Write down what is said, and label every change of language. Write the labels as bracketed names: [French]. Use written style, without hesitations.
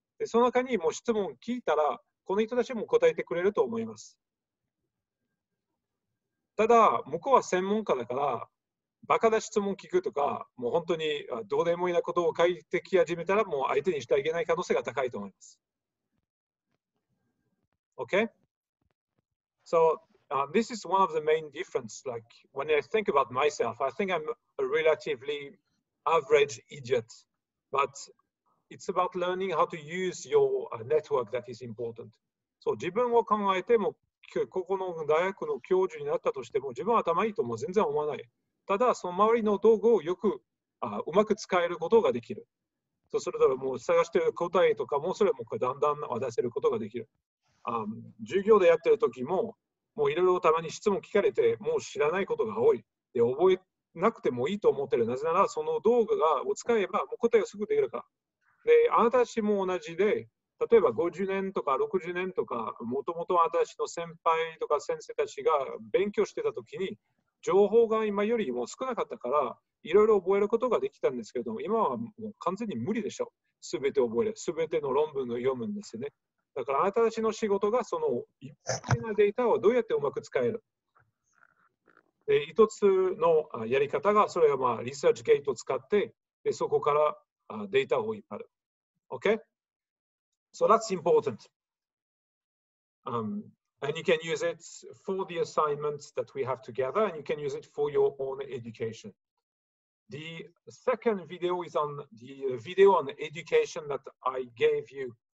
[Japanese] で、その中にもう質問を聞いたら、この人たちも答えてくれると思います。ただ、向こうは専門家だから、バカな質問聞くとか、もう本当にどうでもいいなことを書いてき始めたら、もう相手にしてはいけない可能性が高いと思います。 [English] OK? So,this is one of the main differences. Like when I think about myself, I think I'm a relatively average idiot. But it's about learning how to use your network that is important. So, [Japanese] 自分を考えても、ここの大学の教授になったとしても、自分は頭いいとも全然思わない。ただ、その周りの道具をよく、うまく使えることができる。そうすると、もう探している答えとかも、それもだんだん出せることができる。授業でやっているときも、もういろいろたまに質問聞かれて、もう知らないことが多い。で、覚えなくてもいいと思ってる。なぜなら、その道具がを使えば、もう答えがすぐ出るから。で、あなたたちも同じで、例えば50年とか60年とか、もともとあなたたちの先輩とか先生たちが勉強してたときに、情報が今よりも少なかったから、いろいろ覚えることができたんですけども、今はもう完全に無理でしょ。すべて覚える。すべての論文を読むんですよね。だから、あなたたちの仕事がその一定なデータをどうやってうまく使える。で、一つのやり方が、それはまあリサーチゲートを使って、でそこからデータを引っ張る。 [English] OK? So that's important.、and you can use it for the assignments that we have together, and you can use it for your own education. The second video is on the video on education that I gave you.